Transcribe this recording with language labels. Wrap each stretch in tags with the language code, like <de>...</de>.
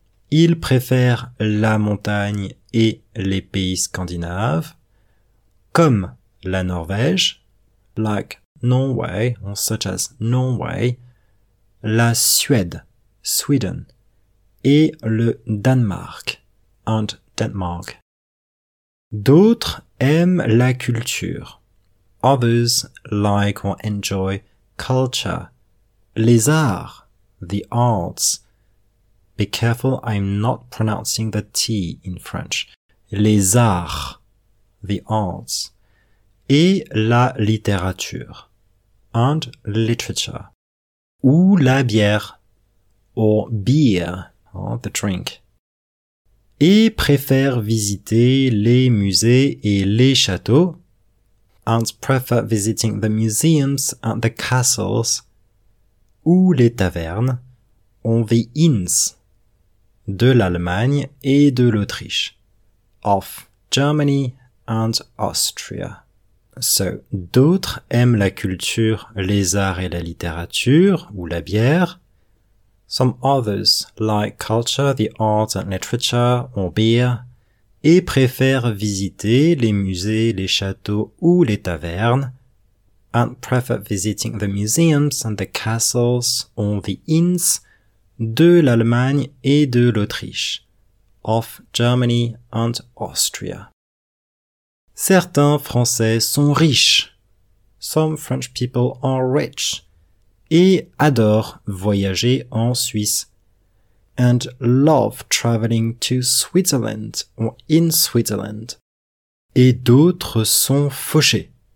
<fr>Ils préfèrent la montagne et les pays scandinaves, comme la Norvège,</fr> <en>like Norway, or such as Norway,</en> <fr>la Suède, Sweden, et le Danemark,</fr> <en>and Denmark.</en> <fr>D'autres aiment la culture.</fr> <en>Others like or enjoy culture.</en> <fr>Les arts,</fr> <en>the arts. Be careful, I'm not pronouncing the T in French.</en> <fr>Les arts,</fr> <en>the arts.</en> <fr>Et la littérature.</fr> <en>And literature.</en> <fr>Ou la bière.</fr> <en>Or beer. The drink.</en> <fr>Et préfère visiter les musées et les châteaux.</fr> <en>And prefer visiting the museums and the castles.</en> <fr>Ou les tavernes.</fr> <en>Or the inns.</en> <fr>De l'Allemagne et de l'Autriche.</fr> <en>Of Germany and Austria.</en> <fr>So, d'autres aiment la culture, les arts et la littérature, ou la bière.</fr> <en>Some others like culture, the arts and literature, or beer,</en> <fr>et préfèrent visiter les musées, les châteaux ou les tavernes,</fr> <en>and prefer visiting the museums and the castles or the inns</en> <fr>de l'Allemagne et de l'Autriche,</fr> <en>of Germany and Austria.</en> <fr>Certains Français sont riches.</fr> <en>Some French people are rich.</en> <fr>Et adorent voyager en Suisse.</fr> <en>And love traveling to Switzerland or in Switzerland.</en> <fr>Et d'autres sont fauchés.</fr>